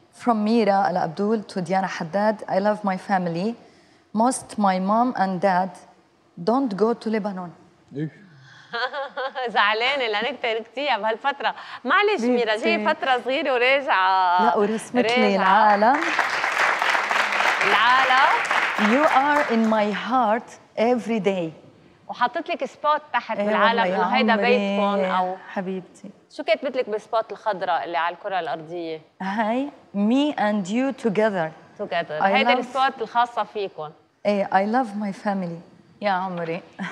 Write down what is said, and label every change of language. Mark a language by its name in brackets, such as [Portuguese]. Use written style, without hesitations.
[English] From Mira al-Abdul to Diana Haddad, I love my family, most my mom and dad. Don't go to Lebanon. [Arabic] زعلانة لأنك تركتيها بهالفترة. معلش ميرا، جاي فترة صغيرة وراجعة. لا ورسمت لي العالم. العالم. [English] You are in my heart every day. [Arabic] وحطيت لك سبوت تحت بالعالم انه هيدا بيتكم او حبيبتي. شو كاتبت لك بالسبوت الخضراء اللي على الكره الارضيه؟ [English] Hi me and you together. Together [Arabic] هيدا السبوت الخاصه فيكم. [English] I I love my family. [Arabic] يا عمري